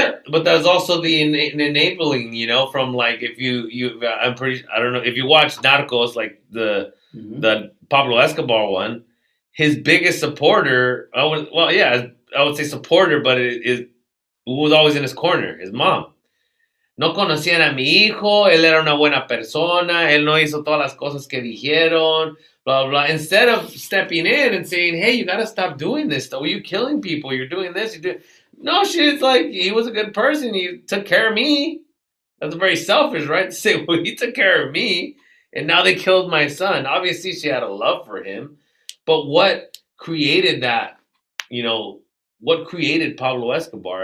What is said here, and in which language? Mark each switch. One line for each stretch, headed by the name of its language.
English: but there's also the enabling, you know, from like if you watch Narcos, like the Pablo Escobar one, his biggest supporter, I would say supporter, but was always in his corner, his mom.
Spanish: No conocían a mi hijo, él era una buena persona, él no hizo todas las cosas que dijeron. Blah, blah.
English: Instead of stepping in and saying, hey, you got to stop doing this stuff. You're killing people. You're doing this. No, she's like, he was a good person. He took care of me. That's very selfish, right? To say, well, he took care of me, and now they killed my son. Obviously, she had a love for him. But what created that, you know, what created Pablo Escobar?